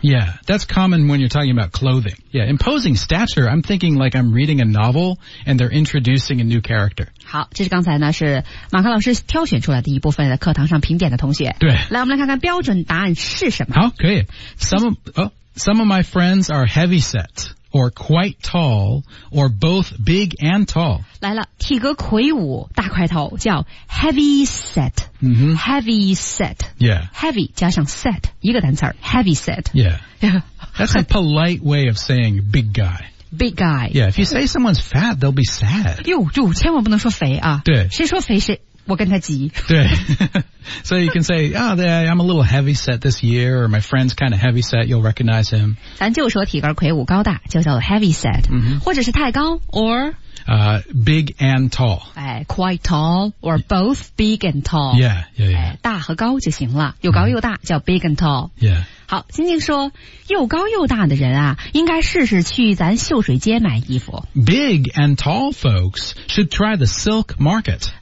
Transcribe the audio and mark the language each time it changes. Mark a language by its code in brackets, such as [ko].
[en] yeah， that's common when you're talking about clothing， yeah， imposing stature， I'm thinking like I'm reading a novel and they're introducing a new character。 [zh] 好，这是刚才呢是马克老师挑选出来的一部分的课堂上评点的同学，对，来我们来看看标准答案是什么。好，可以 [en] ，some Some of my friends are heavy set, or quite tall, or both big and tall. [zh] 来了，体格魁梧，大块头，叫 heavy set.、 Mm-hmm. [en] Heavy set. Yeah. [zh] Heavy 加上 set, 一个单词 heavy set. [en] Yeah. That's a polite way of saying big guy. Big guy. Yeah, if you say someone's fat, they'll be sad. [zh] 哟，千万不能说肥啊！对，谁说肥谁我跟他急。对。 [en] So you can say, oh, I'm a little heavy set this year, or my friend's kind of heavy set, you'll recognize him. [zh] 咱就说体格魁梧高大就叫做 heavy set,、 mm-hmm. 或者是太高 or... [en] big and tall. Quite tall, or both big and tall. Yeah, yeah, yeah. [zh] 大和高就行了，有高又大、mm-hmm. 叫 [en] big and tall. Yeah. [zh] 好，晶晶说，又高又大的人啊，应该试试去咱秀水街买衣服。 [en] Big and tall folks should try the silk market.